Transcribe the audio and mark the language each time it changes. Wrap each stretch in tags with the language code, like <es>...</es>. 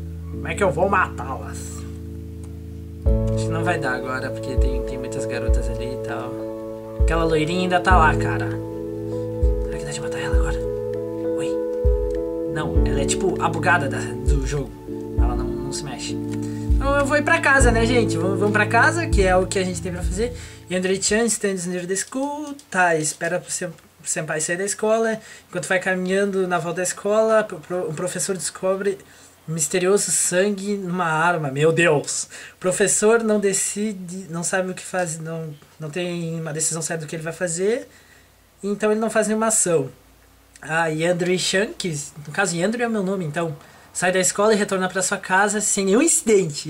<pt>Como é que eu vou matá-las? Acho que não vai dar agora, porque tem muitas garotas ali e tal. Aquela loirinha ainda tá lá, cara. Será que dá de matar ela agora? Oi. Não, ela é tipo a bugada do jogo. Ela não se mexe. Então eu vou ir pra casa, né, gente? Vamos pra casa, que é o que a gente tem pra fazer.</pt> <en>Yandere Chan, stands near the school.</en> <pt>Tá, espera pro senpai sair da escola. Enquanto vai caminhando na volta da escola, um professor descobre misterioso sangue numa arma. Meu Deus. Professor não decide, não sabe o que faz, não tem uma decisão certa do que ele vai fazer. Então ele não faz nenhuma ação. Ah, Yandere Chan, que no caso Yandere é o meu nome, então sai da escola e retorna pra sua casa sem nenhum incidente.</pt>